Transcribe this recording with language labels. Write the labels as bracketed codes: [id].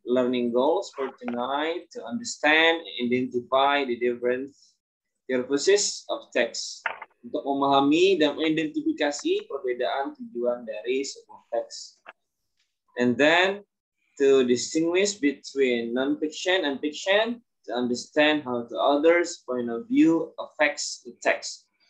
[en] Learning goals for tonight to understand and identify the different purposes of text. [id] Untuk memahami dan mengidentifikasi perbedaan tujuan dari sebuah teks. [en] And then to distinguish between non-fiction and fiction to understand how the other's point of view affects the text.